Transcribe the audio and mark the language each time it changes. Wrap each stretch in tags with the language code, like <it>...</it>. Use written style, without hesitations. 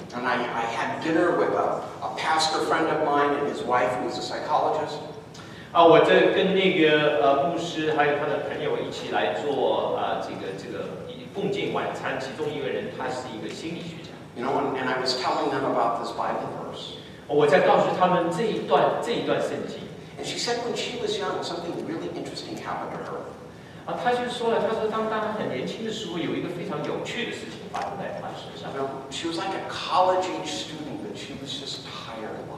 <en>And I had dinner with a pastor friend of mine and his wife, who's a psychologist.</en> <zh>我在跟那个牧师还有他的朋友一起来做这个共进晚餐，其中一个人他是一个心理学家。</zh> <en>You know, and I was telling them about this Bible verse.</en> <zh>我在告诉他们这一段圣经。</zh> <en>And she said when she was young, something really interesting happened to her.</en> <zh>他就说了，他说当他很年轻的时候，有一个非常有趣的事情发生在他身上。</zh> <en>You know, she was like a college age student, but she was just tired.</en>